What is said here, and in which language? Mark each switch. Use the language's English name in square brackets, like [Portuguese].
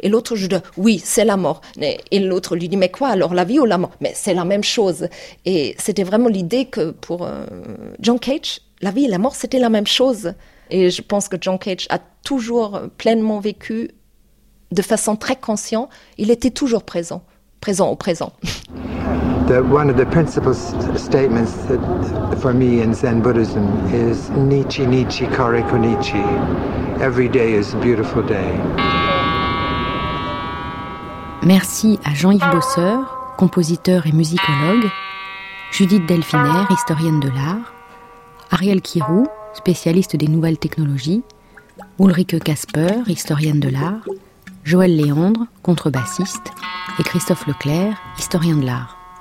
[French] Et l'autre lui dit « Oui, c'est la mort ». Et l'autre lui dit « Mais quoi, alors la vie ou la mort ?» Mais c'est la même chose. Et c'était vraiment l'idée que pour John Cage, la vie et la mort, c'était la même chose. Et je pense que John Cage a toujours pleinement vécu de façon très consciente. Il était toujours présent, présent au présent. [English] One of the principal statements that for me in Zen Buddhism is Nichi Nichi Kariko Nichi. Every day is a beautiful day. [French] Merci à Jean-Yves Bosseur, compositeur et musicologue, Judith Delfiner, historienne de l'art, Ariel Kirou, spécialiste des nouvelles technologies, Ulrike Kasper, historienne de l'art, Joël Léandre, contrebassiste, et Christophe Leclerc, historien de l'art.